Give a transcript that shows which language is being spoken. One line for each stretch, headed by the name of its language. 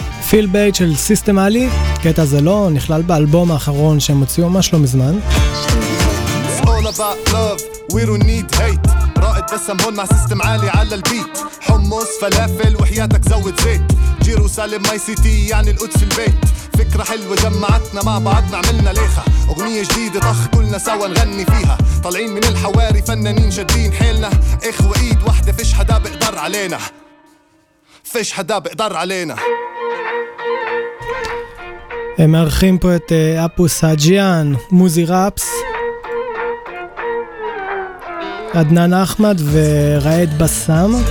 Hebrew: פיל בייט של סיסטם אלי, קטע זה לא נכלל באלבום האחרון שהם הוציאו ממש לא מזמן.
English: It's all about love, we don't need hate.
Arabic: رائد بسمون مع سيستم عالي على البيت حمص فلافل وحياتك زود زيت جيرو سالم ماي سيتي يعني القدس البيت فكرة حلوة جمعتنا مع بعضنا عملنا ليخة اغنية جديدة طخ كلنا سوا نغني فيها طالعين من الحواري فنانين جادين حيلنا اخوة ايد واحدة فيش حدا بقدر علينا فيش حدا بقدر علينا.
Hebrew: הם מארחים פה את אפו סאג'יאן, מוזי ראפס, עדנן אחמד וראד בסם.